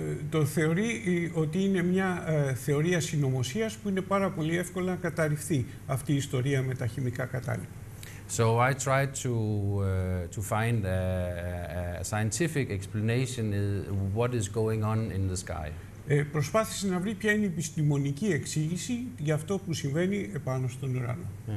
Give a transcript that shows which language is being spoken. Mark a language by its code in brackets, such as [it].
[el] Το θεωρεί ότι είναι μια θεωρία συνωμοσίας που είναι πάρα πολύ εύκολα να καταρριφθεί αυτή η ιστορία με τα χημικά κατάλοιπα. [en] So I tried to find a scientific explanation what is going on in the sky. [el] Προσπάθησε να βρει ποια είναι η επιστημονική εξήγηση για αυτό που συμβαίνει επάνω στον ουρανό.